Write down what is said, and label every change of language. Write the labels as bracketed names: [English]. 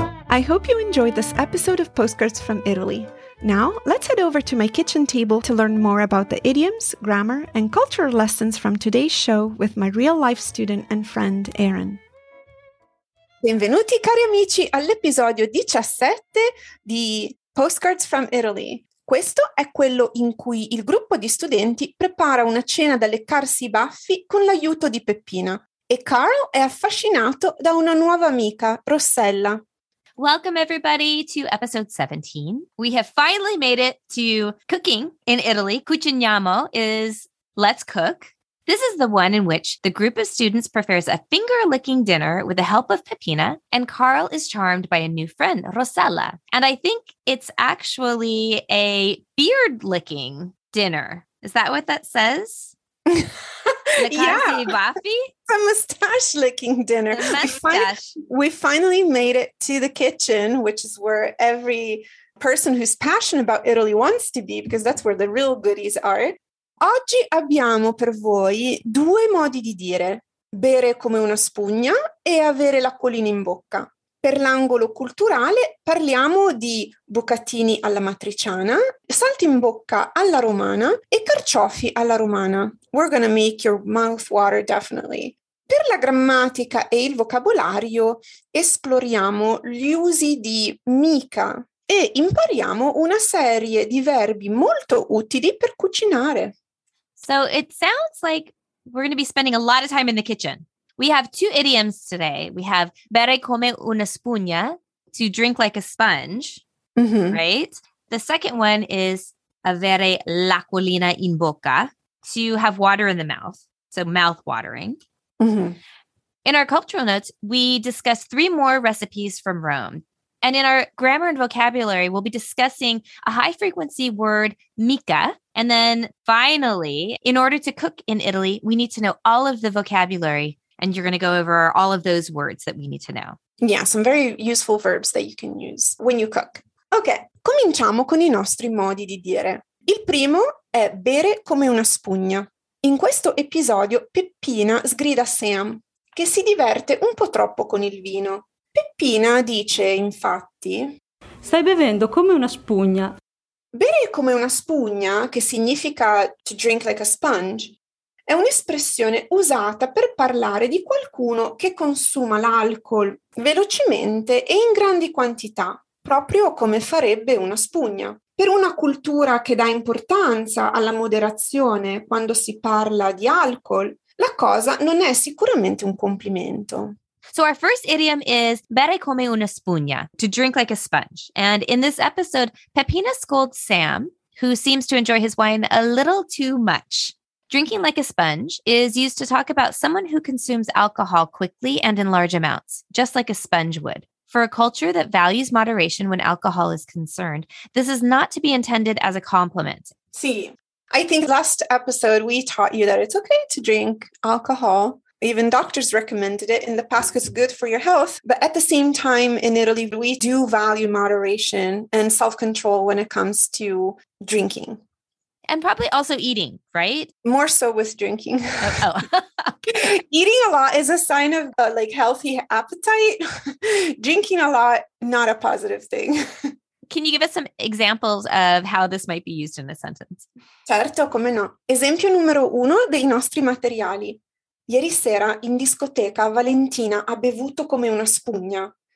[English] I hope you enjoyed this episode of Postcards from Italy. Now, let's head over to my kitchen table to learn more about the idioms, grammar, and cultural lessons from today's show with my real-life student and friend, Erin. [Italian] Benvenuti, cari amici, all'episodio 17 di Postcards from Italy. Questo è quello in cui il gruppo di studenti prepara una cena da leccarsi i baffi con l'aiuto di Peppina. E Carl è affascinato da una nuova amica, Rossella. [English] Welcome, everybody, to episode 17. We have finally made it to cooking in Italy. Cuciniamo is let's cook. This is the one in which the group of students prepares a finger-licking dinner with the help of Peppina, and Carl is charmed by a new friend, Rossella. And I think it's actually a beard-licking dinner. Is that what that says? Yeah, a mustache-licking dinner. We finally made it to the kitchen, which is where every person who's passionate about Italy wants to be, because that's where the real goodies are. [Italian] Oggi abbiamo per voi due modi di dire, bere come una spugna e avere l'acquolina in bocca. Per l'angolo culturale parliamo di bucatini alla matriciana, saltimbocca alla romana e carciofi alla romana. [English] We're gonna make your mouth water, definitely. [Italian] Per la grammatica e il vocabolario esploriamo gli usi di mica e impariamo una serie di verbi molto utili per cucinare. [English] So it sounds like we're gonna be spending a lot of time in the kitchen. We have two idioms today. We have [Italian] bere come una spugna, [English] to drink like a sponge, mm-hmm. right? The second one is [Italian] avere l'acquolina in bocca, [English] to have water in the mouth, so mouth watering. Mm-hmm. In our cultural notes, we discuss three more recipes from Rome. And in our grammar and vocabulary, we'll be discussing a high frequency word, mica. And then finally, in order to cook in Italy, we need to know all of the vocabulary. And you're going to go over all of those words that we need to know. Yeah, some very useful verbs that you can use when you cook. [Italian] Okay, cominciamo con i nostri modi di dire. Il primo è bere come una spugna. In questo episodio, Peppina sgrida Sam, che si diverte un po' troppo con il vino. Peppina dice, infatti... Stai bevendo come una spugna. Bere come una spugna, che significa [English] to drink like a sponge, [Italian] è un'espressione usata per parlare di qualcuno che consuma l'alcol velocemente e in grandi quantità, proprio come farebbe una spugna. Per una cultura che dà importanza alla moderazione quando si parla di alcol, la cosa non è sicuramente un complimento. [English] So our first idiom is [Italian] bere come una spugna, [English] to drink like a sponge. And in this episode, Peppina scolds Sam, who seems to enjoy his wine a little too much. Drinking like a sponge is used to talk about someone who consumes alcohol quickly and in large amounts, just like a sponge would. For a culture that values moderation when alcohol is concerned, this is not to be intended as a compliment. See, I think last episode we taught you that it's okay to drink alcohol. Even doctors recommended it in the past because it's good for your health. But at the same time, in Italy, we do value moderation and self-control when it comes to drinking. And probably also eating, right? More so with drinking. Oh. Eating a lot is a sign of like healthy appetite. Drinking a lot, not a positive thing. Can you give us some examples of how this might be used in a sentence? [Italian] Certo, come no. Esempio numero uno dei nostri materiali. Ieri sera in discoteca Valentina ha bevuto come una spugna.